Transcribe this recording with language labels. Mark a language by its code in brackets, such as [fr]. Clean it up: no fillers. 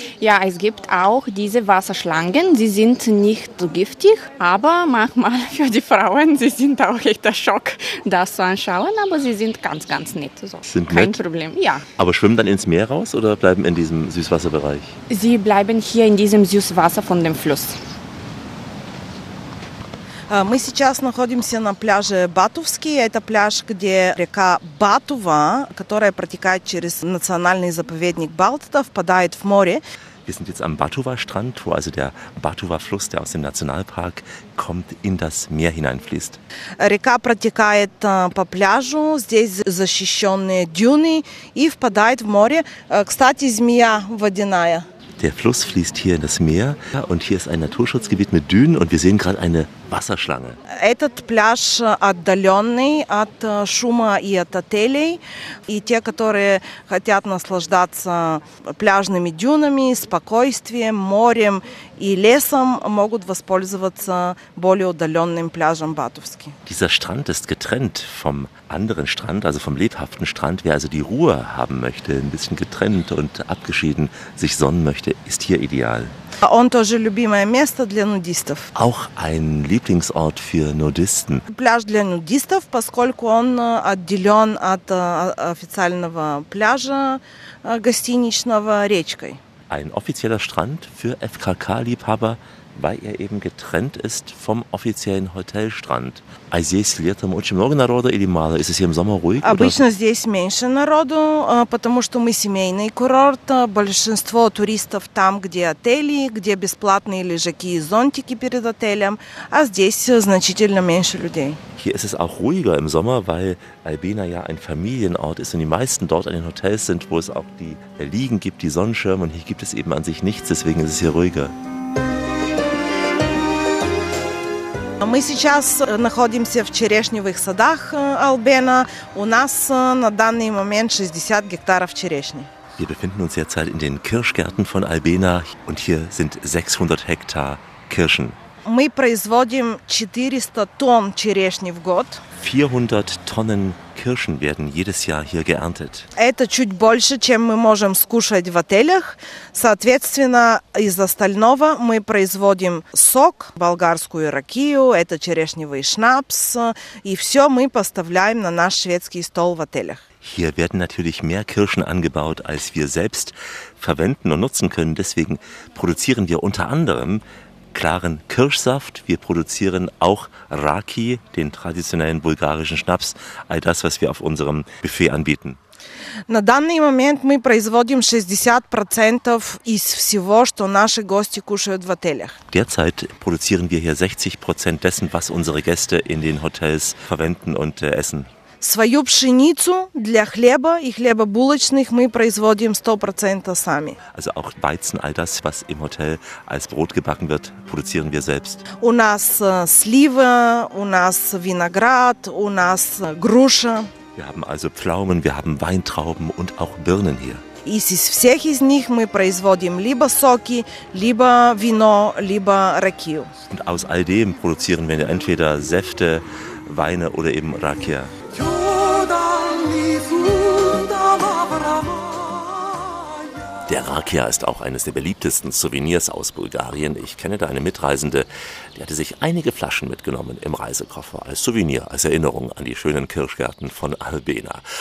[de] Ja, es gibt auch diese Wasserschlangen. Sie sind nicht so giftig, aber manchmal für die Frauen, sie sind auch echt ein Schock, das zu anschauen. Aber sie sind ganz, ganz nett. So. Sind kein nett. Problem, ja. Aber schwimmen dann ins Meer raus oder bleiben in diesem Süßwasserbereich? Sie bleiben hier in diesem Süßwasser von dem Fluss. [ru] Мы сейчас находимся на пляже Батовский. Это пляж, где река Батова, которая протекает через национальный заповедник Балтата, впадает в море. [de] Wir sind jetzt am Batova-Strand, wo also der Batova-Fluss, der aus dem Nationalpark kommt, in das Meer hineinfließt. [ru] Река протекает по пляжу, здесь защищенные дюны и впадает в море. Кстати, змея водяная. [de] Der Fluss fließt hier in das Meer und hier ist ein Naturschutzgebiet mit Dünen und wir sehen gerade eine Wasserschlange. [ru] Этот пляж отдаленный от шума и от отелей. И те, которые хотят наслаждаться пляжными дюнами, спокойствием, морем и лесом, могут воспользоваться более удаленным пляжем Батовски. [de] Dieser Strand ist getrennt vom anderen Strand, also vom lebhaften Strand. Wer also die Ruhe haben möchte, ein bisschen getrennt und abgeschieden, sich sonnen möchte, ist hier ideal. [ru] Он тоже любимое место для нудистов. [de] Auch ein Lieblingsort für Nudisten. [ru] Пляж для нудистов, поскольку он отделен от официального пляжа гостиничного речкой. [de] Ein offizieller Strand für FKK-Liebhaber, weil eben getrennt ist vom offiziellen Hotelstrand. [ru] А здесь летом очень много народу или мало? [de] Ist es hier im Sommer ruhig? [ru] Обычно здесь меньше народу, потому что мы семейный курорт. Большинство туристов там, где отели, где бесплатные лежаки и зонтики перед отелем. А здесь значительно меньше людей. [de] Hier ist es auch ruhiger im Sommer, weil Albina ja ein Familienort ist und die meisten dort an den Hotels sind, wo es auch die Liegen gibt, die Sonnenschirme. Und hier gibt es eben an sich nichts, deswegen ist es hier ruhiger. [ru] Мы сейчас находимся в черешневых садах Албена. У нас на данный момент 60 гектаров черешни. [de] Wir befinden uns derzeit in den Kirschgärten von Albena und hier sind 600 Hektar Kirschen. [ru] Мы производим 400 тонн черешни в год. [de] 400 Tonnen Kirschen werden jedes Jahr hier geerntet. [ru] Это чуть больше, чем мы можем скушать в отелях. Соответственно, из остального мы производим сок, болгарскую ракию, это черешневый шнапс, и все мы поставляем на наш шведский стол в отелях. [de] Hier werden natürlich mehr Kirschen angebaut, als wir selbst verwenden und nutzen können. Deswegen produzieren wir unter anderem klaren Kirschsaft. Wir produzieren auch Raki, den traditionellen bulgarischen Schnaps, all das, was wir auf unserem Buffet anbieten. [ru] На данный момент мы производим 60% из всего, что наши гости кушают в отелях. [de] Derzeit produzieren wir hier 60% dessen, was unsere Gäste in den Hotels verwenden und essen. [ru] Свою пшеницу для хлеба и хлебобулочных мы производим 100% сами. [de] Also auch Weizen, all das, was im Hotel als Brot gebacken wird, produzieren wir selbst. [ru] У нас сливы, у нас виноград, у нас груша. [de] Wir haben also Pflaumen, wir haben Weintrauben und auch Birnen hier. [ru] Из всех из них мы производим либо соки, либо вино, либо ракию. [de] Und aus all dem produzieren wir entweder Säfte, Weine oder eben Rakia. Der Rakia ist auch eines der beliebtesten Souvenirs aus Bulgarien. Ich kenne da eine Mitreisende, die hatte sich einige Flaschen mitgenommen im Reisekoffer als Souvenir, als Erinnerung an die schönen Kirschgärten von Albena.